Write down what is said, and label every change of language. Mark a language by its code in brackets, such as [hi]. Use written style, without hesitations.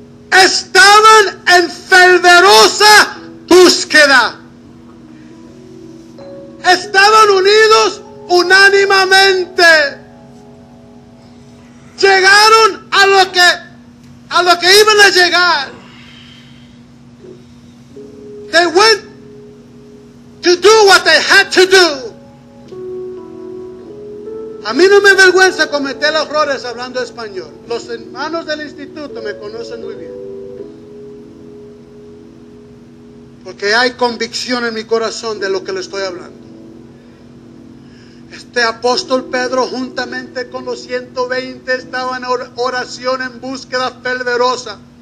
[es] Estaban en fervorosa búsqueda. Estaban unidos unánimemente. Llegaron a lo que iban a llegar. [en] They went to do what they had to do. [es] A mí no me avergüenza cometer errores hablando español. Los hermanos del instituto me conocen muy bien. Porque hay convicción en mi corazón de lo que le estoy hablando. Este apóstol Pedro, juntamente con los 120, estaba en oración, en búsqueda fervorosa.